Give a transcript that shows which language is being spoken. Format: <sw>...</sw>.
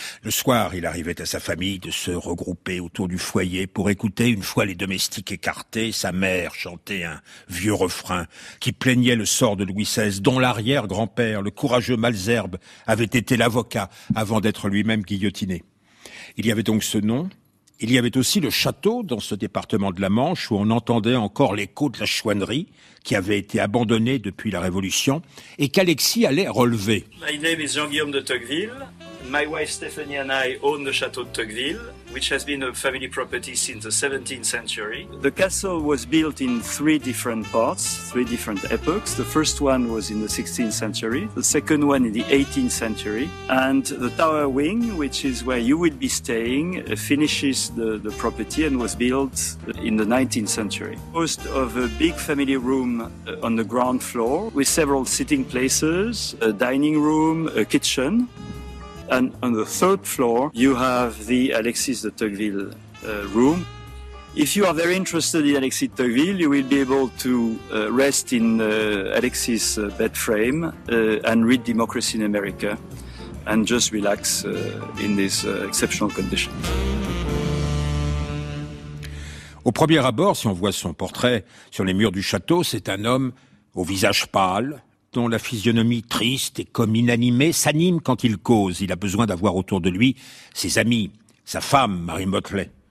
<fr>Le soir, il arrivait à sa famille de se regrouper autour du foyer pour écouter, une fois les domestiques écartés, sa mère chanter un vieux refrain qui plaignait le sort de Louis XVI, dont l'arrière-grand-père, le courageux Malesherbes, avait été l'avocat avant d'être lui-même guillotiné. Il y avait donc ce nom. Il y avait aussi le château dans ce département de la Manche où on entendait encore l'écho de la chouannerie qui avait été abandonnée depuis la Révolution et qu'Alexis allait relever.</fr> <en>My name is Jean-Guillaume de Tocqueville. My wife Stephanie and I own the château de Tocqueville, which has been a family property since the 17th century. The castle was built in three different parts, three different epochs. The first one was in the 16th century, the second one in the 18th century, and the tower wing, which is where you will be staying, finishes the property and was built in the 19th century. Most of a big family room on the ground floor with several sitting places, a dining room, a kitchen. And on the third floor, you have the Alexis de Tocqueville room. If you are very interested in Alexis de Tocqueville, you will be able to rest in Alexis' bed frame and read Democracy in America and just relax in this exceptional condition.</en> <fr>Au premier abord, si on voit son portrait sur les murs du château, c'est un homme au visage pâle, dont la physionomie triste et comme inanimée s'anime quand il cause. Il a besoin d'avoir autour de lui ses amis, sa femme, Marie Motley.</fr>